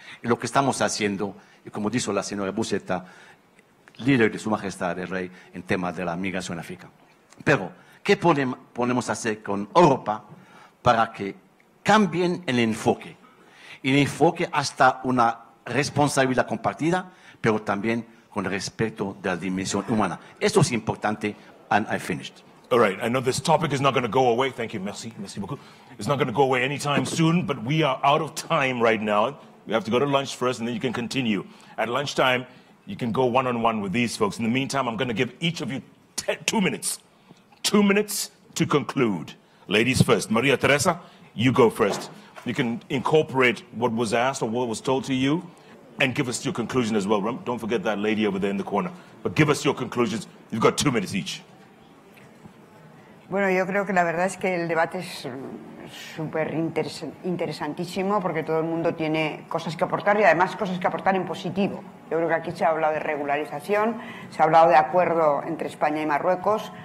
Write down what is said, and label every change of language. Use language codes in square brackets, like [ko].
[es] Y lo que estamos haciendo, y como dijo la señora Boucetta, líder de su majestad el rey en tema de la migración en África. Pero, ¿qué podemos hacer con Europa para que cambien el enfoque? El enfoque hasta una responsabilidad compartida, pero también con respeto de la dimensión humana. Esto es importante, [en] and I finished. All right, I know this topic is not going to go away. Thank you, [fr] merci, merci beaucoup. [en] It's not going to go away anytime soon, but we are out of time right now. We have to go to lunch first, and then you can continue. At lunchtime, you can go one-on-one with these folks. In the meantime, I'm going to give each of you 2 minutes. 2 minutes to conclude. Ladies first. Maria Teresa, you go first. You can incorporate what was asked or what was told to you and give us your conclusion as well. Don't forget that lady over there in the corner. But give us your conclusions. You've got 2 minutes each. [es] Bueno, yo creo que la verdad es que el debate es súper interesantísimo porque todo el mundo tiene cosas que aportar y además cosas que aportar en positivo. Yo creo que aquí se ha hablado de regularización, se ha hablado de acuerdo entre España y Marruecos.